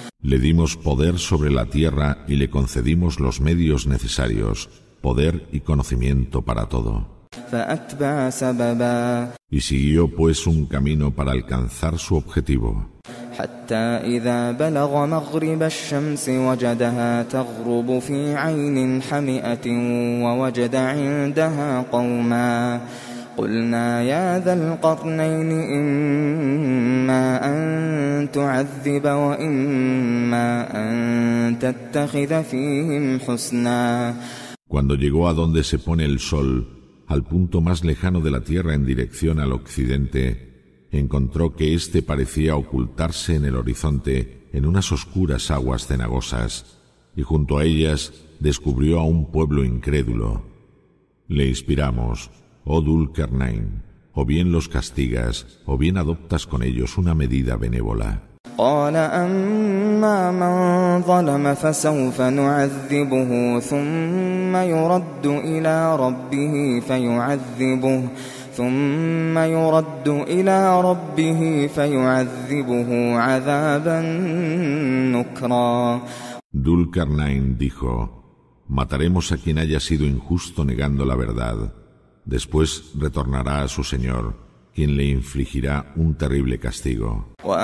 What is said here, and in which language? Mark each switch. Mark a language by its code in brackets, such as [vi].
[es] Le dimos poder sobre la tierra y le concedimos los medios necesarios, poder y conocimiento para todo. [ar] فَأَتْبَعَ سَبَبًا. [es] Y siguió pues un camino para alcanzar su objetivo. [ar] حتى إذا بلغ مغرب الشمس وجدها تغرب في عين حمئة ووجد عندها قوما قلنا يا ذا القرنين إما أن تعذب وإما أن تتخذ فيهم حسنا. [es] Cuando llegó a donde se pone el sol, al punto más lejano de la tierra en dirección al occidente, encontró que éste parecía ocultarse en el horizonte en unas oscuras aguas cenagosas, y junto a ellas descubrió a un pueblo incrédulo. Le inspiramos, oh Dhul-Qarnayn, o bien los castigas, o bien adoptas con ellos una medida benévola. [ar] قال أما من ظلم فسوف نعذبه ثم يرد إلى ربه فيعذبه ثم يرد إلى ربه فيعذبه عذابا نكرا. [es] Dhul-Qarnayn dijo: mataremos a quien haya sido injusto negando la verdad. Después retornará a su señor, quien le infligirá un terrible castigo.